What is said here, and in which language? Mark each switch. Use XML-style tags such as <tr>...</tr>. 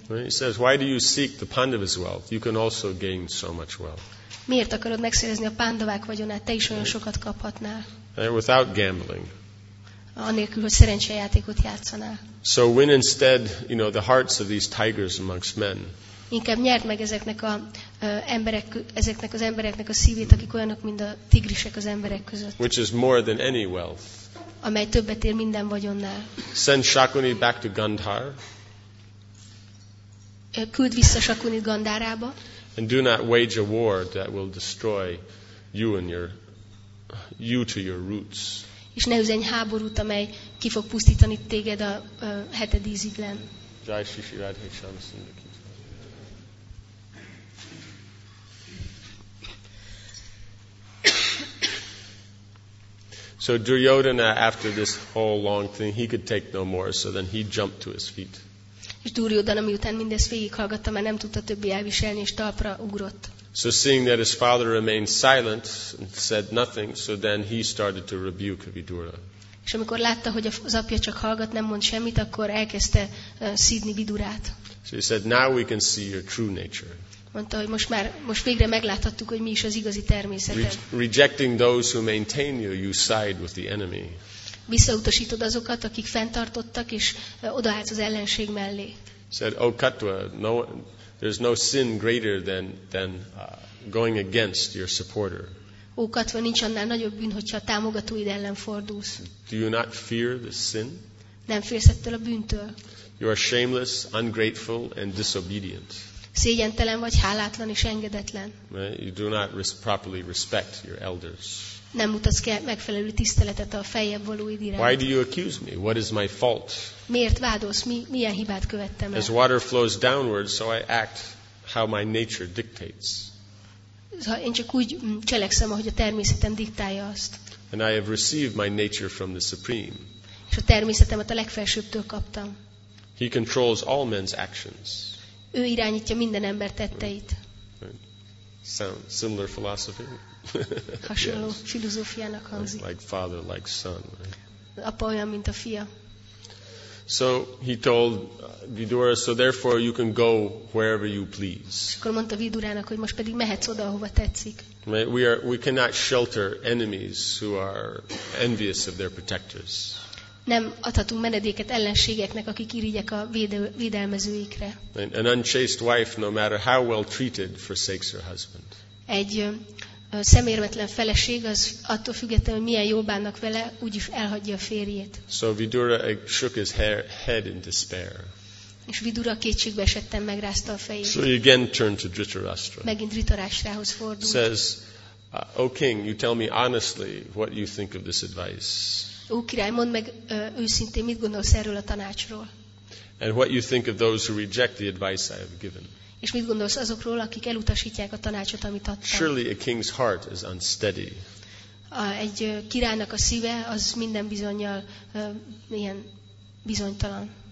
<en>He says, why do you seek the Pandavas' wealth? You can also gain so much wealth.</en> <hu>Miért akarod megszerezni a pándavák vagyonát? Te is olyan sokat kaphatnál.</hu> <en>Without gambling.</en> <hu>Anélkül, hogy szerencsejátékot játszanál.</hu> <en>So win instead, you know, the hearts of these tigers amongst men.</en> <hu>Inkább nyerd meg ezeknek a emberek, ezeknek az embereknek a szívét, akik olyanok, mint a tigrisek az emberek között.</hu> <en>Which is more than any wealth.</en> <hu>Amely többet ér minden vagyonnál.</hu> <en>Send Shakuni back to Gandhar.</en> <hu>Küld vissza Shakuni Gandharába.</hu> <en>And do not wage a war that will destroy you and your you to your roots.</en> <hu>És ne üzenj háborút, amely ki fog pusztítani téged a heted íziglen.</hu> <hi>Jai Shishi Radhe Shamsundar.</hi> <en>So Duryodhana, after this whole long thing, he could take no more, so then he jumped to his feet.</en> <hu>És Duryodhana, miután mindezt végighallgatta, már nem tudta többé elviselni, és talpra ugrott.</hu> <en>So seeing that his father remained silent and said nothing, so then he started to rebuke Vidura.</en> <hu>És amikor látta, hogy az apja csak hallgat, nem mond semmit, akkor elkezdte szídni Vidurát.</hu> <en>So he said, now we can see your true nature.</en> <hu>Mondta, hogy most végre megláthattuk, hogy mi is az igazi természeted.</hu> <en>Rejecting those who maintain you, you side with the enemy.</en> <hu>Visszautasítod azokat, akik fenntartottak, és odaállsz az ellenség mellé.</hu> <en>Said, O Katva, no, there's no sin greater than going against your supporter.</en> <hu>Ó Katva, nincs annál nagyobb bűn, hogyha a támogatóid ellen fordulsz.</hu> <en>Do you not fear the sin?</en> <hu>Nem félsz ettől a bűntől?</hu> <en>You are shameless, ungrateful, and disobedient.</en> <hu>Szégyentelen vagy, hálátlan és engedetlen.</hu> <en>You do not properly respect your elders.</en> <hu>Nem mutatsz megfelelő tiszteletet a feljebb valóid iránt.</hu> <en>Why do you accuse me? What is my fault?</en> <hu>Miért vádolsz? Milyen hibát követtem el?</hu> <en>As water flows downward, so I act how my nature dictates.</en> <hu>Én csak úgy cselekszem, ahogy a természetem diktálja azt.</hu> <en>And I have received my nature from the Supreme.</en> <hu>És a természetemet a legfelsőbbtől kaptam.</hu> <en>He controls all men's actions.</en> <hu>Ő irányítja minden ember tetteit.</hu> <en>Sound similar philosophy.</en> <hu>Hasonló filozófiának hangzik.</hu> <en>Like father, like son. Right?</en> <hu>Apa olyan, mint a fia.</hu> <en>So he told Vidura, so therefore you can go wherever you please.</en> <hu>És akkor mondta Vidurának, hogy most pedig mehetsz oda, ahova tetszik.</hu> <en>We cannot shelter enemies who are envious of their protectors.</en> <hu>Nem adhatunk menedéket ellenségeknek, akik irigyek a védelmezőikre.</hu> <en>An unchaste wife, no matter how well treated, forsakes her husband.</en> <hu>Egy szemérmetlen feleség, az attól függetlenül, hogy milyen jól bánnak vele, úgyis elhagyja a férjét.</hu> <en>So Vidura shook his head in despair.</en> <hu>És Vidura kétségbe esetten megrázta a fejét.</hu> <en>So he again turned to Dhritarashtra.</en> <hu>Megint Dhritarashtrához fordult.</hu> <en>Says, O king, you tell me honestly what you think of this advice.</en> <hu>Ó király, mondd meg őszintén, mit gondolsz erről a tanácsról.</hu> <en>And what you think of those who reject the advice I have given.</en> <hu>És mit gondolsz azokról, akik elutasítják a tanácsot, amit adtam?</hu> <en>Surely a king's heart is unsteady.</en> <hu>Egy királynak a szíve az minden bizonnyal ilyen bizonytalan.</hu>